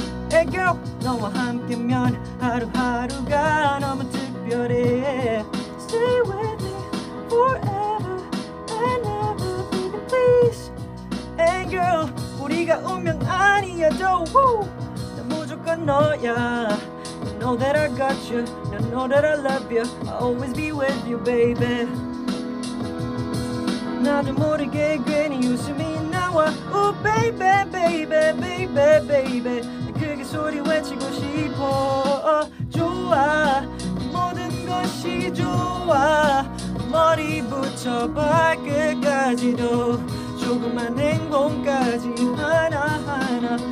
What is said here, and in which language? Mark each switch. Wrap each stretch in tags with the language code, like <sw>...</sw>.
<en>Hey girl,</en> <ko>너와 함께면 하루하루가 너무 특별해.</ko> <en>Stay with me forever and ever, baby, please. Hey girl,</en> <ko>우리가 운명 아니어도 woo, 난 무조건 너야.</ko> <en>You know that I got you, you know that I love you. I'll always be with you, baby.</en> <ko>나도 모르게 괜히 웃음이 나와.</ko> <en>Oh baby, baby, baby, baby, baby.</en> <ko>크게 소리 외치고 싶어. 좋아, 모든 것이 좋아. 머리부터 발끝까지도 조그만 행복까지 하나하나.</ko>